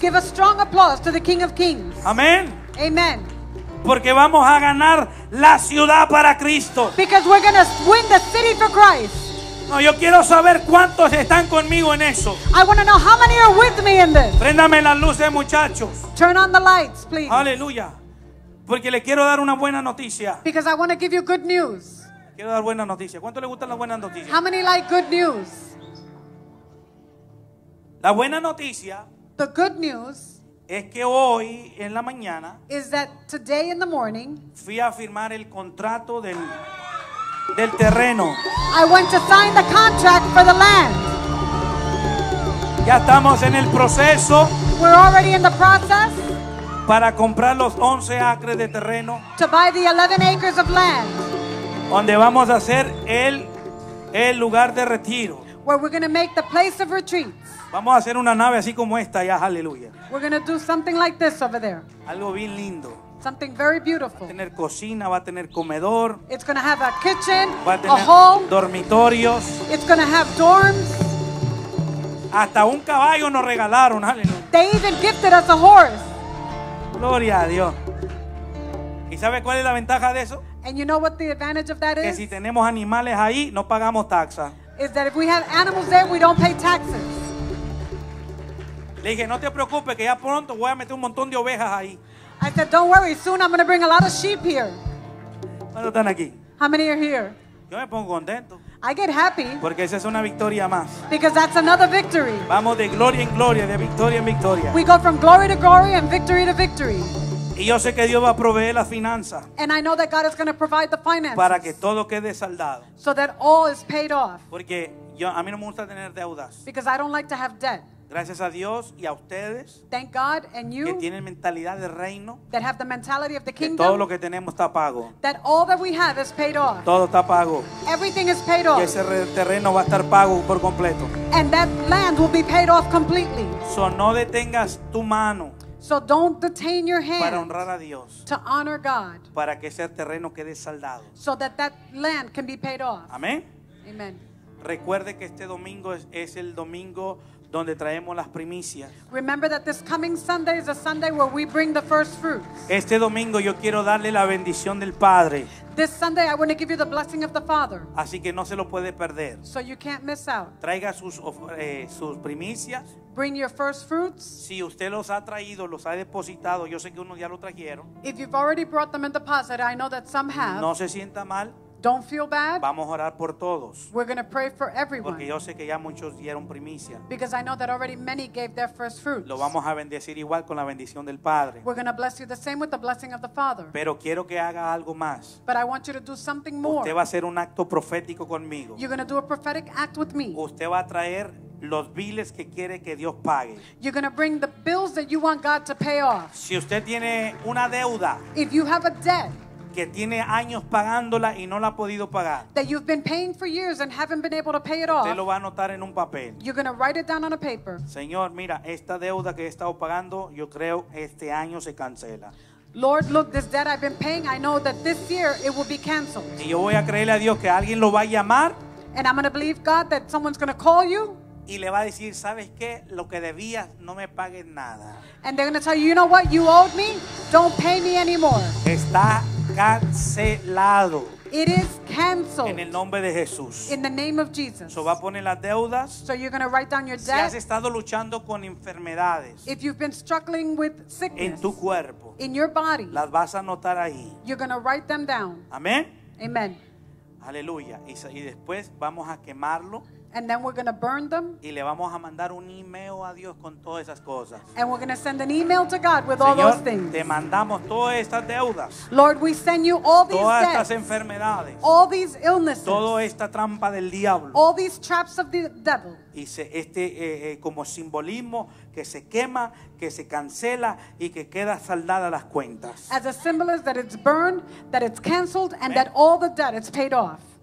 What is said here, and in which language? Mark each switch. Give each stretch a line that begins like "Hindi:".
English: Give a strong applause to the King of Kings.
Spanish: Amén.
English: Amen.
Spanish: Porque vamos a ganar la ciudad para Cristo.
English: Because we're going to win the city for Christ.
Spanish: No, yo quiero saber cuántos están conmigo en eso.
English: I want to know how many are with me in this.
Spanish: Préndame las luces, muchachos.
English: Turn on the lights, please.
Spanish: Aleluya. Porque le quiero dar una buena noticia.
English: Because I want to give you good news.
Spanish: Quiero dar buena noticia. ¿Cuánto le gustan las buenas noticias?
English: How many like good news?
Spanish: La buena noticia.
English: The good news.
Spanish: Es que hoy en la mañana.
English: Is that today in the morning.
Spanish: Fui a firmar el contrato del terreno.
English: I went to sign the contract for the land.
Spanish: Ya estamos en el proceso.
English: We're already in the process.
Spanish: Para comprar los 11 acres de terreno.
English: To buy the 11 acres of land.
Spanish: Donde vamos a hacer el lugar de retiro.
English: where we're going to make the place of retreats.
Spanish: Vamos a hacer una nave así como esta ya, aleluya.
English: We're going to do something like this over there.
Spanish: Algo bien lindo.
English: Something very beautiful.
Spanish: Va a tener cocina, va a tener comedor.
English: It's going to have a kitchen,
Spanish: va a tener
English: a home,
Spanish: dormitorios.
English: It's going to have dorms.
Spanish: Hasta un caballo nos regalaron, aleluya.
English: They even gifted us a horse. Gloria a Dios. ¿Y sabe cuál es la ventaja de eso? And you know what the advantage of that is?
Spanish: Que si tenemos animales ahí, no pagamos taxa.
English: Is that if we have animals there, we don't pay taxes.
Spanish: Le dije, no te preocupes, que ya pronto voy a meter un montón de ovejas ahí.
English: I said, don't worry, soon I'm going to bring a lot of sheep here.
Spanish: ¿Cuántos están aquí?
English: How many are here?
Spanish: Yo me pongo contento.
English: I get happy.
Spanish: Porque esa es una victoria más.
English: Because that's another victory.
Spanish: Vamos de gloria en gloria, de victoria en victoria.
English: We go from glory to glory and victory to victory.
Spanish: Y yo sé que Dios va a proveer la finanza.
English: And I know that God is going to provide the finances.
Spanish: Para que todo quede saldado.
English: So that all is paid off.
Spanish: Porque yo, a mí no me gusta tener deudas.
English: Because I don't like to have debt.
Spanish: Gracias a Dios y a ustedes.
English: Thank God and you.
Spanish: Que tienen mentalidad de reino.
English: That have the mentality of the kingdom.
Spanish: Que todo lo que tenemos está pago.
English: That all that we have is paid off.
Spanish: Todo está pago.
English: Everything is paid off.
Spanish: Y ese terreno va a estar pago por completo.
English: And that land will be paid off completely.
Spanish: So no detengas tu mano.
English: So don't detain your hand.
Spanish: Para honrar a Dios.
English: To honor God.
Spanish: Para que ese terreno quede saldado.
English: So that that land can be paid off.
Spanish: Amén.
English: Amen.
Spanish: Recuerde que este domingo es el domingo donde traemos las primicias.
English: Remember that this coming Sunday is a Sunday where we bring the first fruits.
Spanish: Este domingo yo quiero darle la bendición del Padre.
English: This Sunday I want to give you the blessing of the Father.
Spanish: Así que no se lo puede perder.
English: So you can't miss out.
Spanish: Traiga sus sus primicias.
English: Bring your first fruits.
Spanish: Si usted los ha traído, los ha depositado, yo sé que unos ya lo trajeron.
English: If you've already brought them in deposit, I know that some have.
Spanish: No se sienta mal.
English: Don't feel bad.
Spanish: Vamos a orar por todos.
English: We're going to pray for everyone.
Spanish: Porque yo sé que ya muchos dieron primicia.
English: Because I know that already many gave their first fruits.
Spanish: Lo vamos a bendecir igual con la bendición del Padre.
English: We're going to bless you the same with the blessing of the Father.
Spanish: Pero quiero que haga algo más.
English: But I want you to do something more.
Spanish: Usted va a hacer un acto profético conmigo.
English: You're going to do a prophetic act with me.
Spanish: Usted va a traer los biles que quiere que Dios pague.
English: You're going to bring the bills that you want God to pay off.
Spanish: Si usted tiene una deuda.
English: If you have a debt.
Spanish: Que tiene años pagándola y no la ha podido pagar.
English: That you've been paying for years and haven't been able to pay it off.
Spanish: Usted lo va a anotar en un papel.
English: You're going to write it down on a paper.
Spanish: Señor, mira, esta deuda que he estado pagando, yo creo este año se cancela.
English: Lord, look, this debt I've been paying, I know that this year it will be canceled.
Spanish: Y yo voy a creerle a Dios que alguien lo va a llamar.
English: And I'm going to believe God that someone's going to call you.
Spanish: Y le va a decir, ¿sabes qué? Lo que debías, no me pagues nada.
English: And they're going to tell you, you know what? You owed me. Don't pay me anymore.
Spanish: Está cancelado.
English: It is canceled.
Spanish: En el nombre de Jesús.
English: In the name of Jesus.
Spanish: So va a poner las deudas.
English: So you're going to write down your debt.
Spanish: Si has estado luchando con enfermedades.
English: If you've been struggling with sickness.
Spanish: En tu cuerpo.
English: In your body.
Spanish: Las vas a anotar ahí.
English: You're going to write them down.
Spanish: Amén.
English: Amen.
Spanish: Aleluya. Y después vamos a quemarlo.
English: And then we're going to burn them.
Spanish: Y le vamos a mandar un email a Dios con todas esas cosas.
English: And we're going to send an email to God with,
Spanish: Señor,
English: all those things.
Spanish: Te mandamos todas estas deudas.
English: Lord, we send you all these
Spanish: todas
English: debts.
Spanish: Todas estas enfermedades.
English: All these illnesses.
Spanish: Toda esta trampa del diablo.
English: All these traps of the devil.
Spanish: Y como simbolismo que se quema, que se cancela y que queda saldada las cuentas.
English: As a symbol is that it's burned, that it's canceled, and Amen. That all the debt is paid off.